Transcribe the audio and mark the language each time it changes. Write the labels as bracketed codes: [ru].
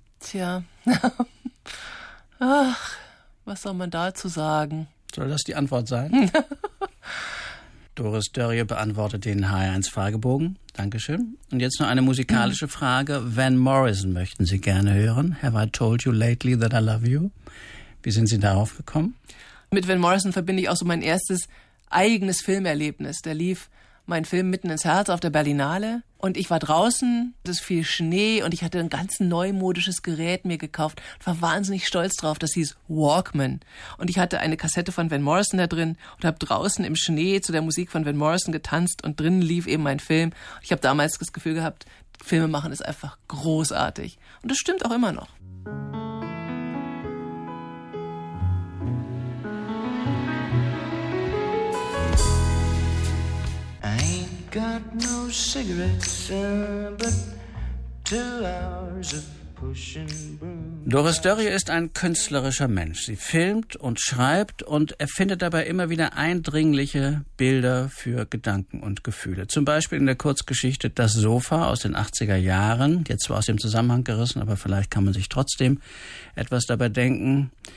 [de] Tja, ach, was soll man dazu sagen? Soll das die Antwort sein? Doris Dörrie beantwortet den HR1-Fragebogen. Dankeschön. Und jetzt noch eine musikalische Frage. Van Morrison möchten Sie gerne hören. [en] Have I told you lately that I love you? [de] Wie sind Sie darauf gekommen? Mit Van Morrison verbinde ich auch so mein erstes eigenes Filmerlebnis. Da lief mein Film Mitten ins Herz auf der Berlinale und ich war draußen, es fiel Schnee und ich hatte ein ganz neumodisches Gerät mir gekauft und war wahnsinnig stolz drauf. Das hieß Walkman und ich hatte eine Kassette von Van Morrison da drin und habe draußen im Schnee zu der Musik von Van Morrison getanzt und drinnen lief eben mein Film. Ich habe damals das Gefühl gehabt, Filme machen ist einfach großartig und das stimmt auch immer noch. [en] Got no cigarettes, but 2 hours of pushing broom. [de] Doris Dörrie ist ein künstlerischer Mensch. Sie filmt und schreibt und erfindet dabei immer wieder eindringliche Bilder für Gedanken und Gefühle. Zum Beispiel in der Kurzgeschichte Das Sofa aus den 80er Jahren. Jetzt zwar aus dem Zusammenhang gerissen, aber vielleicht kann man sich trotzdem etwas dabei denken.